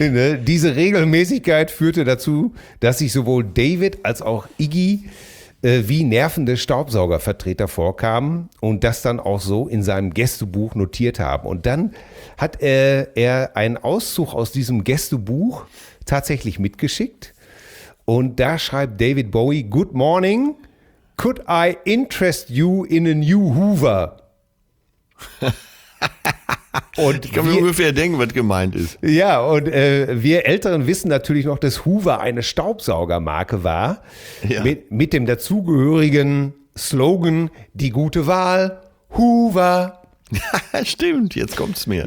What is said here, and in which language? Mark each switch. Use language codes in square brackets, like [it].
[de] Diese Regelmäßigkeit führte dazu, dass sich sowohl David als auch Iggy wie nervende Staubsaugervertreter vorkamen und das dann auch so in seinem Gästebuch notiert haben. Und dann hat er einen Auszug aus diesem Gästebuch tatsächlich mitgeschickt. Und da schreibt David Bowie: [en] Good morning. Could I interest you in a new Hoover? [de] Und ich kann mir ungefähr denken, was gemeint ist. Ja, und wir Älteren wissen natürlich noch, dass Hoover eine Staubsaugermarke war. Ja. Mit dem dazugehörigen Slogan, die gute Wahl, Hoover. Stimmt, jetzt kommt's mir.